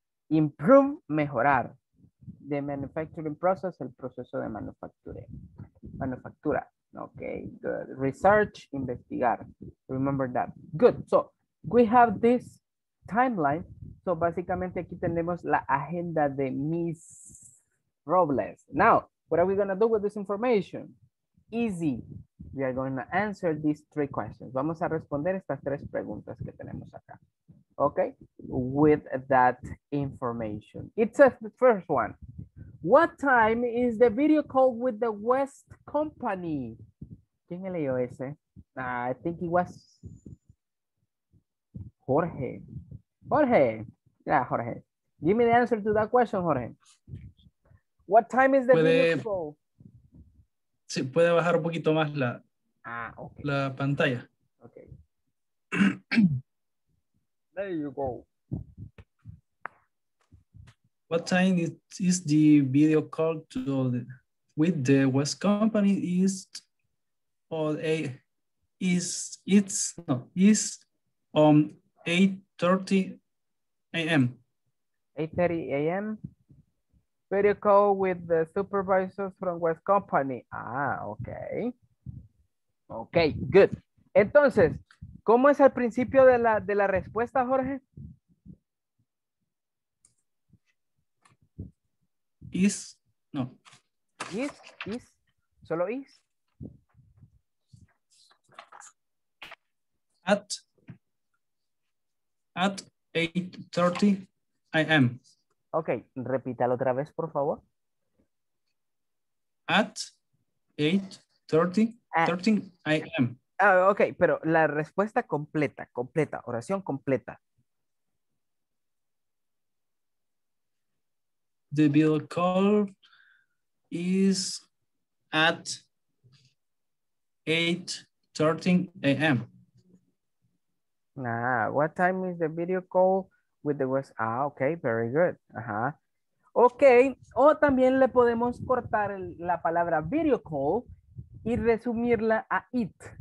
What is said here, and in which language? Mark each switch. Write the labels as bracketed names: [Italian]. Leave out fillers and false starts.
[Spanish] Improve, mejorar. [English] The manufacturing process, [Spanish] el proceso de manufactura. [English] Ok, good. Research, investigar. Remember that. Good. So, we have this timeline. [Spanish] So básicamente aquí tenemos la agenda de Miss Robles. [English] Now, what are we going to do with this information? Easy. We are going to answer these three questions. [Spanish] Vamos a responder estas tres preguntas que tenemos acá. [English] Okay? With that information. It says the first one. What time is the video call with the West Company? [Spanish] ¿Quién me leyó ese? [English] I think it was Jorge. Jorge. Yeah, Jorge. Give me the answer to that question, Jorge. What time is the video call? [Spanish] Sí, puede bajar un poquito más la, okay. La pantalla. [English] Okay. There you go. What time is the video call to the, with the West Company is or a is it's no is on 8:30 a.m. 8:30 a.m. Video call with the supervisors from West Company. Ah, okay. Okay, good. [Spanish] Entonces, ¿cómo es al principio de la respuesta, Jorge? [English] Is, no. Is, solo is. At 8:30 a.m. [Spanish] Ok, repítalo otra vez, por favor. [English] At 8:30 a.m. [Spanish] Ah, ok, pero la respuesta completa, completa, oración completa. [English] The bill call is at 8:30 a.m. Ah, what time is the video call with the West? Ah, okay, very good. Ajá. [Spanish] Okay, o también le podemos cortar la palabra video call y resumirla a it.